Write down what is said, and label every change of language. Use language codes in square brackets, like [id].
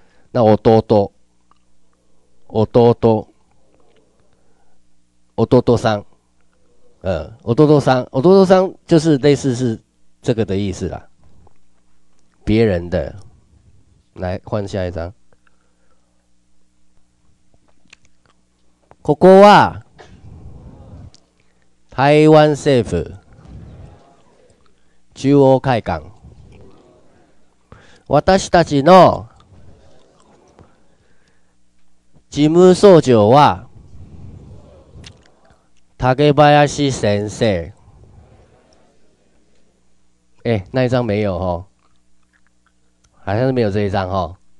[zh] 那我多多，我多多，我多多桑，我多多桑，我多多桑就是类似是这个的意思啦。别人的，来换下一张。 [ja] ここは台湾政府中央会館。私たちの事務総長は竹林先生。 [zh] 那一张没有齁，好像是没有这一张齁。